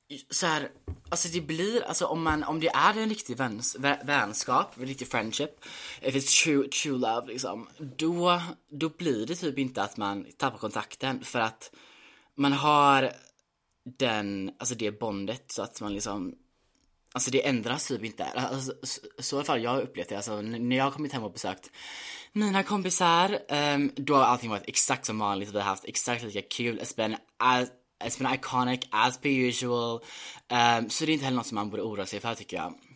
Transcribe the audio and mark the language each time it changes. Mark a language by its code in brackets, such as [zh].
[sv] så här, alltså det blir, alltså om det är en riktig vänskap, en riktig friendship, if it's true love liksom, då blir det typ inte att man tappar kontakten, för att man har den, alltså det bondet, så att man liksom, alltså det ändras typ inte. Alltså, så i alla fall jag har upplevt det. Alltså, när jag har kommit hem och besökt mina kompisar, då har allting varit exakt som vanligt. Vi har haft exakt lika kul. [en] It's been iconic as per usual. [sv] Så det är inte heller något som man borde oroa sig för, tycker jag.